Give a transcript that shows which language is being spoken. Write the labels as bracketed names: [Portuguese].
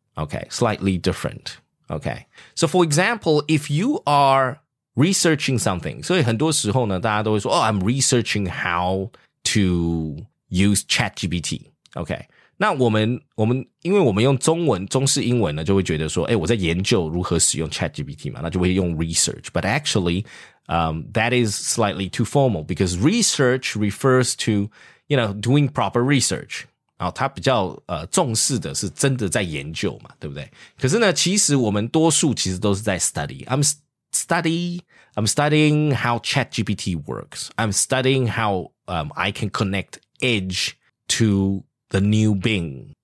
[English] Okay, slightly different. Okay. So, for example, if you are researching something, [Chinese] 所以很多时候呢大家都会说 [English] I'm researching how to use ChatGPT. Okay. [Chinese] 那我们因为我们用中文中式英文呢就会觉得说我在研究如何使用 ChatGPT 嘛那就会用 research. [English] But actually, that is slightly too formal because research refers to,You know, doing proper research. [Chinese] 然后他比较重视的是真的在研究嘛对不对可是呢其实我们多数其实都是在 study. [English] I'm studying how ChatGPT works. I'm studying how, I can connect Edge to the new Bing.